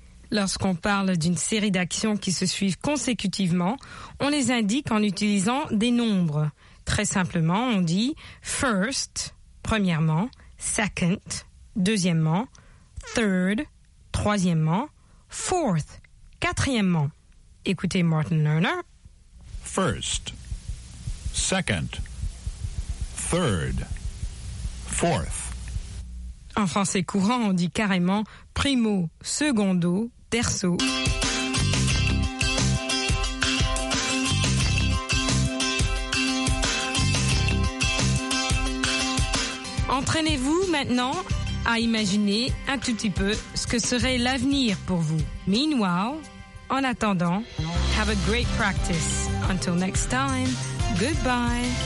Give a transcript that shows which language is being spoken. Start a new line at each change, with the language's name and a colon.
French: Lorsqu'on parle d'une série d'actions qui se suivent consécutivement, on les indique en utilisant des nombres. Très simplement, on dit first, premièrement, second, deuxièmement, third, troisièmement, fourth, quatrièmement. Écoutez Martin Lerner.
English: First, second, third, fourth.
French: En français courant, on dit carrément primo, secondo, terceau. Entraînez-vous maintenant à imaginer un tout petit peu ce que serait l'avenir pour vous.
English: Meanwhile,
French: en attendant,
English: have a great practice. Until next time, goodbye.